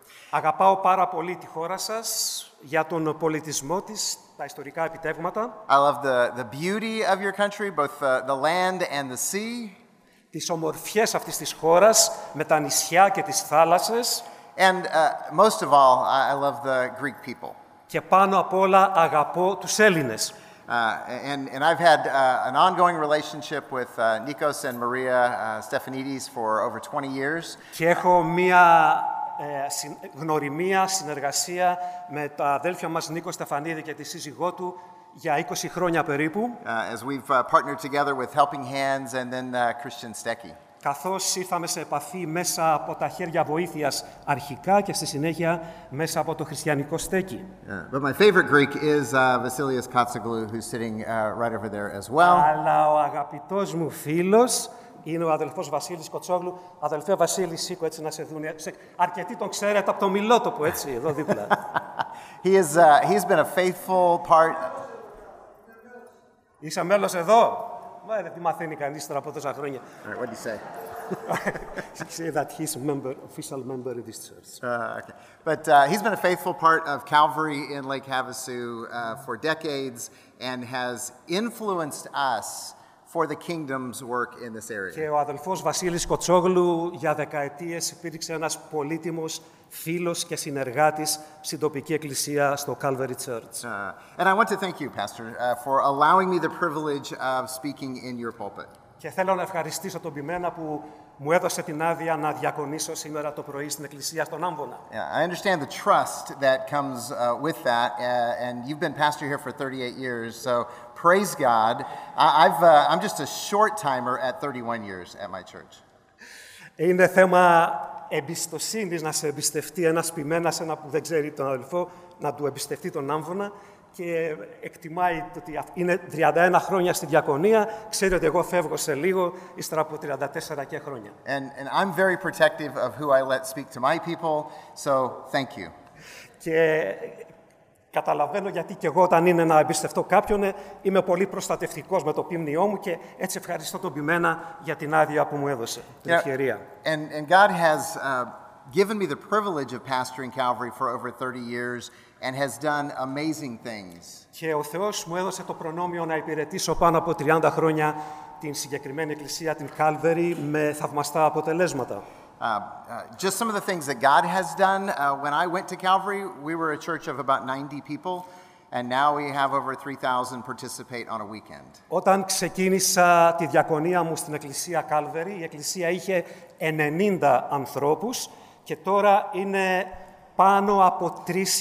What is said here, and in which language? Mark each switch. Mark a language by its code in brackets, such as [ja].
[el] Αγαπάω πάρα πολύ τη χώρα σας για τον πολιτισμό της, τα ιστορικά επιτεύγματα. [en] I love the beauty of your country, both the land and the sea. [el] Τις ομορφιές αυτής της χώρας με τα νησιά και τις θάλασσες. [en] And most of all, I love the Greek people. [el] Και πάνω απ' όλα αγαπώ τους Έλληνες. [en] And I've had an ongoing relationship with Nikos and Maria Stefanidis for over 20 years. [el] Και έχω μία γνωριμία, συνεργασία με τα αδέλφια μας Νίκο Στεφανίδη και τη σύζυγό του για 20 χρόνια περίπου. [en] As we've partnered together with Helping Hands and then Christian Stecky. [el] Καθώς ήρθαμε σε επαφή μέσα από τα χέρια βοήθειας αρχικά και στη συνέχεια μέσα από το χριστιανικό στέκι. [en] But my favorite Greek is Vasilios Kotsoglou, who's sitting right over there as well. [el] Αλλά ο αγαπητός μου φίλος είναι ο αδελφός Βασίλης Κοτσόγλου. Αδελφέ Βασίλη, σήκω έτσι να σε δουν. Αρκετοί τον ξέρετε από το μιλότοπο, έτσι, εδώ δίπλα. [en] He's been a faithful part. [el] Είσαι μέλος εδώ. Μα δεν τη μαθαίνει κανείς τώρα από τόσα χρόνια. [en] Right, what do you say? He said that he's member, official member of this church. But he's been a faithful part of Calvary in Lake Havasu for decades and has influenced us for the kingdom's work in this area. [el] Και ο αδελφός Βασίλης Κοτσόγλου για δεκαετίες υπήρξε ένας πολύτιμος φίλος και συνεργάτης στην τοπική εκκλησία στο Calvary Church. [en] And I want to thank you, Pastor, for allowing me the privilege of speaking in your pulpit. [el] Και θέλω να ευχαριστήσω τον Ποιμένα που μου έδωσε την άδεια να διακονήσω σήμερα το πρωί στην εκκλησία στον Άμβονα. [en] Yeah, I understand the trust that comes with that, and you've been pastor here for 38 years, so praise God. I'm just a short timer at 31 years at my church. [el] Είναι θέμα εμπιστοσύνης να σε εμπιστευτεί ένας Ποιμένας, ένα που δεν ξέρει τον αδελφό, να του εμπιστευτεί τον Άμβονα. Και εκτιμάει ότι είναι 31 χρόνια στη διακονία, ξέρει ότι εγώ φεύγω σε λίγο, ύστερα από 34 και χρόνια. [en] And I'm very protective of who I let speak to my people, so thank you. [el] Και Καταλαβαίνω γιατί και εγώ όταν είναι να εμπιστευτώ κάποιον είμαι πολύ προστατευτικός με το ποιμνιό μου και έτσι ευχαριστώ τον ποιμένα για την άδεια που μου έδωσε, την ευκαιρία. [en] And God has given me the privilege of pastoring Calvary for over 30 years and has done amazing things. [el] Και ο Θεός μου έδωσε το προνόμιο να υπηρετήσω πάνω από 30 χρόνια την συγκεκριμένη εκκλησία, την Calvary, με θαυμαστά αποτελέσματα. [en] Just some of the things that God has done. When I went to Calvary, we were a church of about 90 people, and now we have over 3,000 participate on a weekend. [el] Όταν ξεκίνησα τη διακονία μου στην εκκλησία Calvary, η εκκλησία είχε 90 ανθρώπους και τώρα είναι πάνω από 3,000.